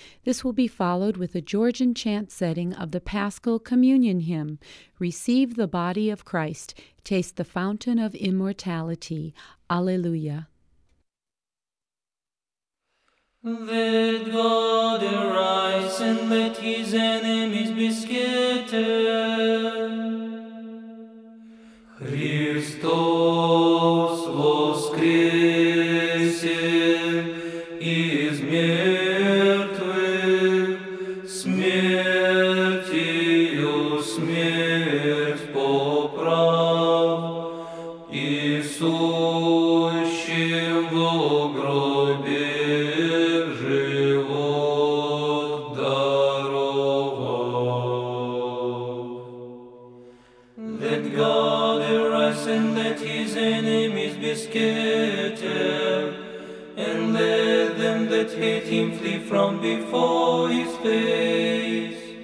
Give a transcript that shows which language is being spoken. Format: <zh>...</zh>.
<en>This will be followed with a Georgian chant setting of the Paschal Communion Hymn, Receive the Body of Christ, Taste the Fountain of Immortality. Alleluia. Let God arise and let his enemies be scattered.</en> <cu>Христос воскресе из мертвых, смертью смерть поправ, и сущим во гробе живот даровал.</cu> <en>Let God arise and let his enemies be scattered, and let them that hate him flee from before his face.</en>